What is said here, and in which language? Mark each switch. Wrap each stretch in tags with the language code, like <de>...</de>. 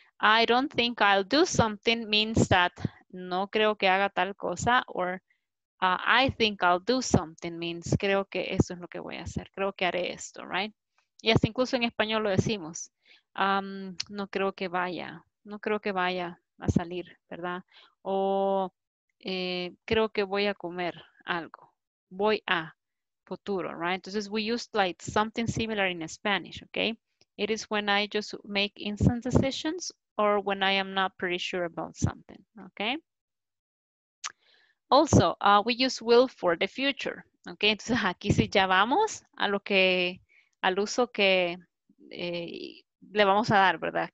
<en>I don't think I'll do something means that</en> <es>no creo que haga tal cosa,</es> <en>or I think I'll do something means</en> <es>creo que eso es lo que voy a hacer, creo que haré esto, right? Y así incluso en español lo decimos, no creo que vaya a salir, ¿verdad? O creo que voy a comer algo, voy a futuro, right?</es> <en>Entonces we use like something similar in Spanish, okay? It is when I just make instant decisions or when I am not pretty sure about something, okay? Also, we use will for the future, okay?</en> <es>Entonces, aquí sí ya vamos a lo que, al uso que le vamos a dar, ¿verdad?</es>